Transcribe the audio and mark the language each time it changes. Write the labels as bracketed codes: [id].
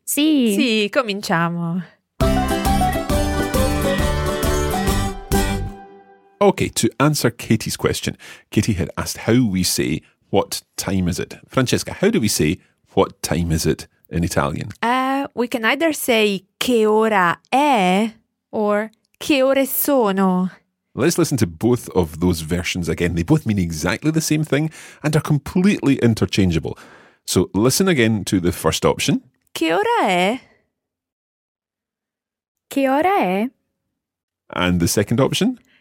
[it] Sì. Sì, cominciamo. [en] Okay, to answer Katie's question, Katie had asked how we say what time is it. Francesca, how do we say what time is it in Italian? We can either say [it] che ora è [en] or [it] che ore sono. [en] Let's listen to both of those versions again. They both mean exactly the same thing and are completely interchangeable. So listen again to the first option. [it] Che ora è? Che ora è? [en] And the second option?